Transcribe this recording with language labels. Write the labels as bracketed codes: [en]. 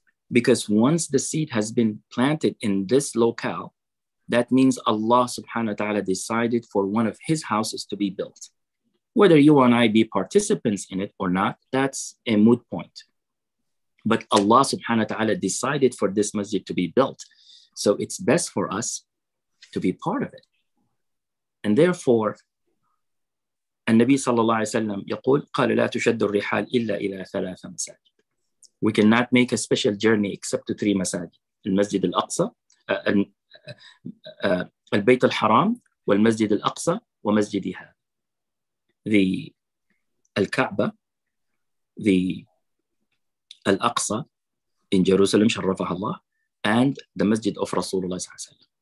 [en] Because once the seed has been planted in this locale, that means Allah subhanahu wa ta'ala decided for one of his houses to be built. Whether you and I be participants in it or not, that's a moot point. But Allah subhanahu wa ta'ala decided for this masjid to be built. So it's best for us to be part of it. And therefore, [ar] النبي صلى الله عليه وسلم يقول قال لا تشد الرحال إلا إلى ثلاثة مساجد. [en] We cannot make a special journey except to three masajid. Al-Masjid Al-Aqsa, Al-Bayt Al-Haram, Al-Masjid Al-Aqsa, and Masjid Ihab. The Al-Ka'ba, the Al-Aqsa in Jerusalem, Sharrafah Allah, and the Masjid of Rasulullah SAW.